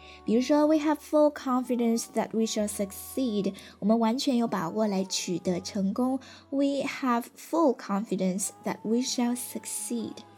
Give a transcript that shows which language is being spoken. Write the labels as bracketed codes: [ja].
[zh] 比如说 [en] ，We have full confidence that we shall succeed. [zh] 我们完全有把握来取得成功。 [en] We have full confidence that we shall succeed.